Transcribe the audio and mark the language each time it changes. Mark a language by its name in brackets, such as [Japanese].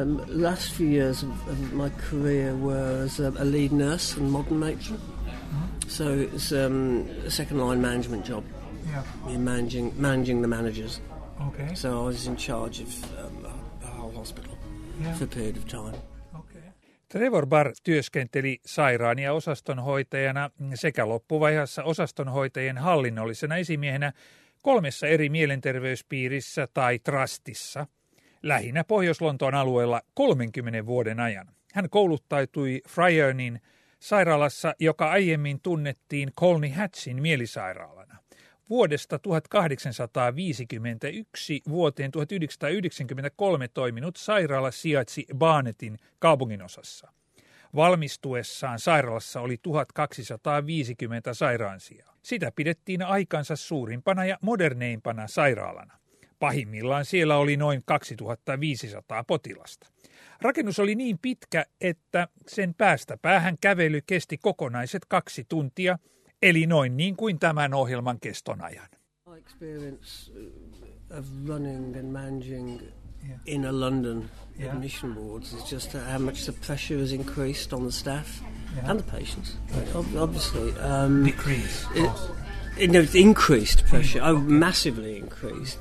[English] Last few years of my career were as a lead nurse and modern matron. Mm-hmm. So it's a second line management job. Yeah. In managing the managers. Okay. So I was in charge of the whole hospital, yeah, for a period of time. Okay. [Finnish] Trevor Barr työskenteli sairaan- ja osastonhoitajana sekä loppuvaiheessa osastonhoitajien hallinnollisena esimiehenä 3 eri mielenterveyspiirissä tai trustissa, lähinnä Pohjois-Lontoon alueella 30 vuoden ajan. Hän kouluttautui Friarnin sairaalassa, joka aiemmin tunnettiin Colney Hatchin mielisairaalana. Vuodesta 1851 vuoteen 1993 toiminut sairaala sijaitsi Barnetin kaupunginosassa. Valmistuessaan sairaalassa oli 1250 sairaansijaa. Sitä pidettiin aikansa suurimpana ja moderneimpana sairaalana. Pahimmillaan siellä oli noin 2500 potilasta. Rakennus oli niin pitkä, että sen päästä päähän kävely kesti kokonaiset 2 tuntia, eli noin niin kuin tämän ohjelman keston ajan. [English] My experience of running and managing, yeah, in a London, yeah, admission wards is just how much the pressure has increased on the staff, yeah, and the patients. Obviously, decrease. It's increased pressure. Oh, massively increased.